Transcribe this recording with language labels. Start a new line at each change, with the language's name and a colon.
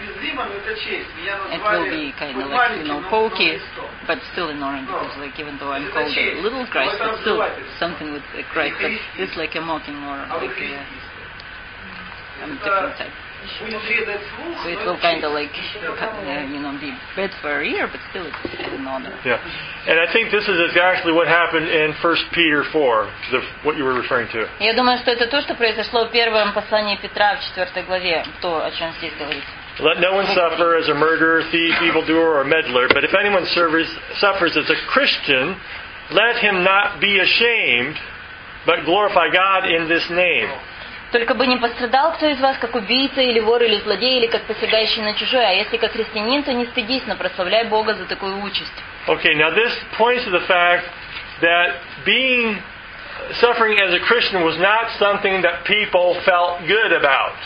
English: It will be kind of like, you know, pokey, but still an honor, because like even though I'm called a little Christ, but still something with a Christ, but it's like a mocking or like a different type. So it will kind of like, you know, be bad for a year, but still it's an honor. Yeah, and I think this is exactly what happened in 1 Peter 4, the, what you were referring to.
Russian: Я думаю, что это то, что произошло в первом послании Петра в 4 главе, то, о чем здесь говорится.
English: Let no one suffer as a murderer, thief, evildoer, or meddler, but if anyone suffers as a Christian, let him not be ashamed, but glorify God in this name.
Russian: Только бы не пострадал кто из вас, как убийца, или вор, или злодей, или как посягающий на чужое. А если как христианин, то не стыдись, но прославляй Бога за такую участь.
English: Okay, now this points to the fact that being suffering as a Christian was not something that people felt good about.